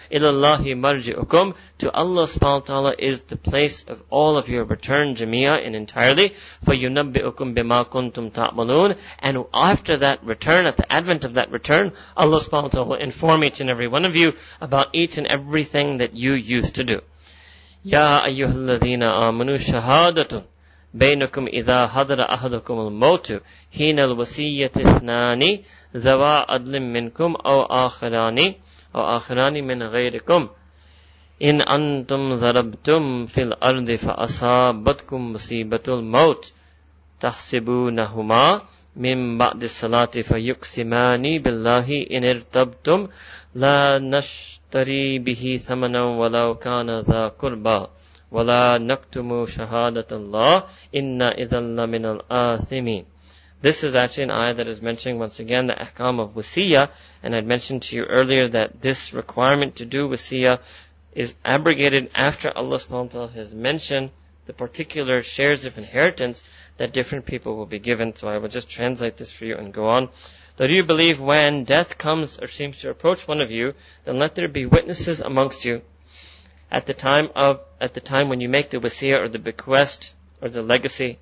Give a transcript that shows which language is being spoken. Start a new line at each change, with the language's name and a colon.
Arabic: Ilallahi marji'ukum,
English: to Allah subhanahu wa ta'ala is the place of all of your return, jami'ah and entirely.
Arabic: Fayunabbi'ukum bima kuntum ta'malun,
English: and after that return, at the advent of that return, Allah subhanahu wa ta'ala will inform each and every one of you about each and everything that you used to do.
Arabic: Ya ayyuhalladhina amanu shahadatun بينكم إذا حضر أحدكم الموت حين الوصية اثنان ذوى عدل منكم أو آخران من غيركم إن أنتم ضربتم في الأرض فأصابتكم مصيبة الموت تحسبونهما من بعد الصلاة فيقسمان بالله إن ارتبتم لا نشتري به ثمنا ولو كان ذا قربى ولا نكتم شهادة الله إنا إذا لمن الآثمين.
English: This is actually an ayah that is mentioning once again the ahkam of wasiyah, and I'd mentioned to you earlier that this requirement to do wasiyah is abrogated after Allah subhanahu wa ta'ala has mentioned the particular shares of inheritance that different people will be given. So I will just translate this for you and go on. Though you believe when death comes or seems to approach one of you, then let there be witnesses amongst you at the time when you make the wasiyah or the bequest or the legacy.